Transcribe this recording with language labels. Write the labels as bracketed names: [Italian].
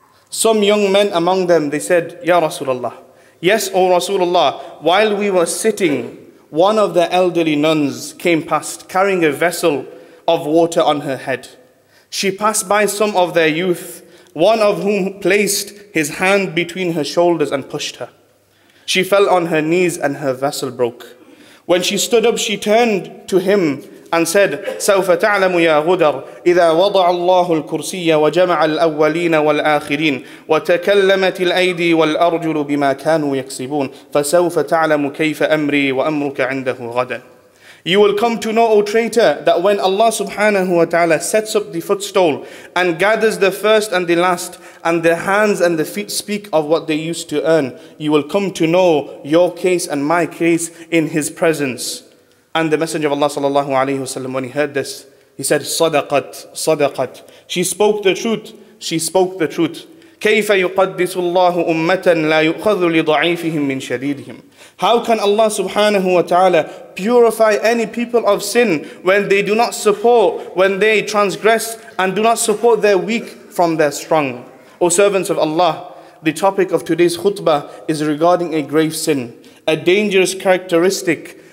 [English] Some young men among them, they said, Ya Rasulullah, yes, O Rasulullah, while we were sitting, one of the elderly nuns came past carrying a vessel of water on her head. She passed by some of their youth, one of whom placed his hand between her shoulders and pushed her. She fell on her knees and her vessel broke. When she stood up, she turned to him and said, [Arabic] سَوْفَ تَعْلَمُ يَا غُدَرْ إِذَا وَضَعَ اللَّهُ الْكُرْسِيَّ وَجَمَعَ الْأَوَّلِينَ وَالْآخِرِينَ وَتَكَلَّمَتِ الْأَيْدِي وَالْأَرْجُلُ بِمَا كَانُوا يَكْسِبُونَ فَسَوْفَ تَعْلَمُ كَيْفَ أَمْرِي وَأَمْرُكَ عِنْدَهُ غَدًا. [English] You will come to know, O traitor, that when Allah subhanahu wa ta'ala sets up the footstool and gathers the first and the last, and the hands and the feet speak of what they used to earn, you will come to know your case and my case in His presence. And the Messenger of Allah sallallahu alayhi wa sallam, when he heard this, he said, [Arabic] صدقت, صدقت. [English] She spoke the truth, she spoke the truth. [Arabic] كيف يقدس الله أمة لا يؤخذ لضعيفهم من شديدهم. [English] How can Allah subhanahu wa ta'ala purify any people of sin when they do not support, when they transgress and do not support their weak from their strong? O servants of Allah, the topic of today's khutbah is regarding a grave sin, a dangerous characteristic.